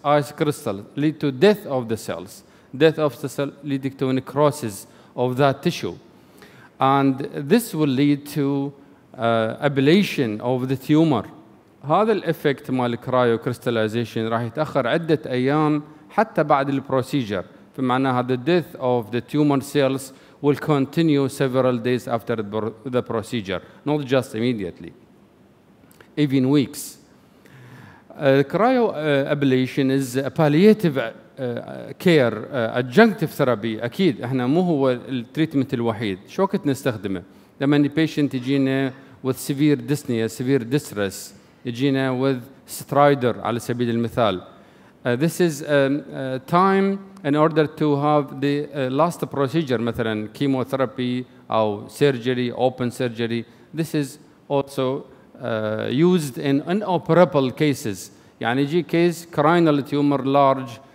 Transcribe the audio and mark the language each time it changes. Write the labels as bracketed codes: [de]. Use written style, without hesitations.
[en] Ice crystals lead to death of the cells. Death of the cell leading to necrosis of that tissue. And this will lead to ablation of the tumor. [ar] هذا الإفكت مال كرايو كريستاليزيشن راح يتأخر عدة أيام حتى بعد البروسيجر. [en] فمعناها the death of the tumor cells will continue several days after the procedure, not just immediately, even weeks. Cryo ablation is a palliative care, adjunctive therapy. [ar] أكيد إحنا مو هو التريتمنت الوحيد. شو كنت نستخدمه؟ لما ال patient يجينا [en] with severe dyspnea, severe distress, [ar] يجينا [en] with strider [ar] على سبيل المثال. [en] This is time in order to have the last procedure, مثلا chemotherapy or surgery, open surgery. This is also used in inoperable cases. [ar] يعني يجي [en] case, cranial tumor large,